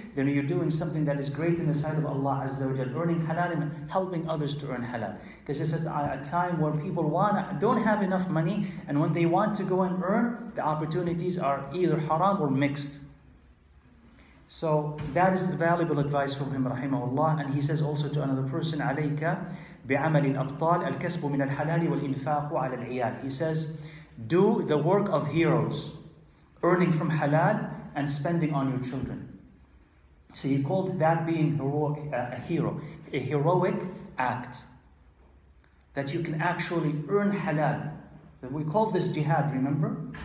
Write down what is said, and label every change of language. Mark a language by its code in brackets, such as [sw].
[en] Then you're doing something that is great in the sight of Allah Azza wa Jal. Earning halal and helping others to earn halal. Because it's a time where people don't have enough money, and when they want to go and earn, the opportunities are either haram or mixed. So that is valuable advice from him, rahimahullah. And he says also to another person, [ar] عَلَيْكَ بِعَمَلٍ أَبْطَالِ الْكَسْبُ مِنَ الْحَلَالِ وَالْإِنْفَاقُ عَلَى الْعِيَالِ. [en] He says, do the work of heroes, earning from halal and spending on your children. So he called that being heroic, a hero, a heroic act. That you can actually earn halal. We call this jihad, remember?